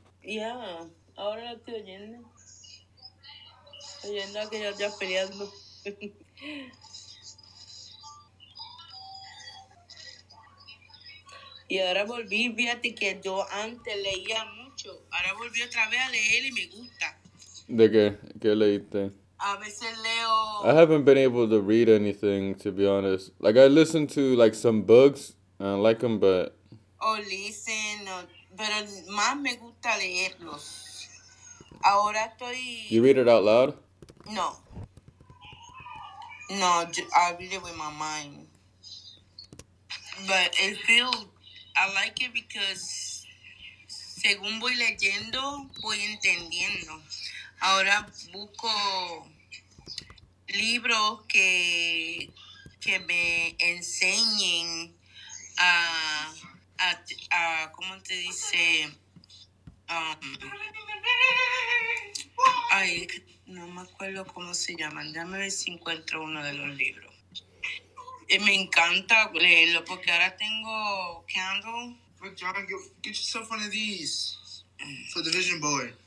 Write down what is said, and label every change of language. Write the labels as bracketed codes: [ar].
[es] Yeah, ahora lo estoy oyendo. Oyendo a que yo ya peleando. Y ahora volví, fíjate que yo antes leía mucho. Ahora volví otra vez a leer y me gusta. ¿De qué? ¿Qué leíste? [en] I haven't been able to read anything, to be honest. Like, I listen to, like, some books, and I like them, but... [es] Pero más me gusta leerlos. Ahora estoy... [en] You read it out loud? No. No, I read it with my mind. But it feels, I like it because [es] según voy leyendo, voy entendiendo. Ahora busco libros que me enseñen a ¿cómo te dice? Ay, no me acuerdo cómo se llaman. Déjame ver si encuentro uno de los libros. Me encanta leerlo porque ahora tengo candle. [en] Quick, John, get yourself one of these for the vision board.